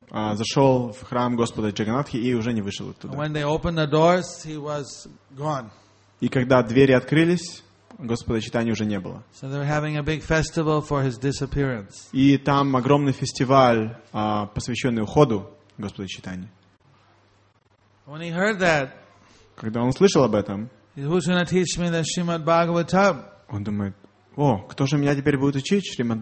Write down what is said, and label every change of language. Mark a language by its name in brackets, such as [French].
[Russian] Он зашел в храм Господа Джаганатхи и уже не вышел оттуда. [English] When they opened the doors, he was gone. [Russian] И когда двери открылись, Господа Чайтанья уже не было. [English] So they were having a big festival for his disappearance. [Russian] И там огромный фестиваль, посвященный уходу Господа Чайтанья. [English] When he heard that, [Russian] когда он услышал об этом, [English] who's going to teach me the Srimad Bhagavatam? [Russian] Он думает, о, кто же меня теперь будет учить Шримад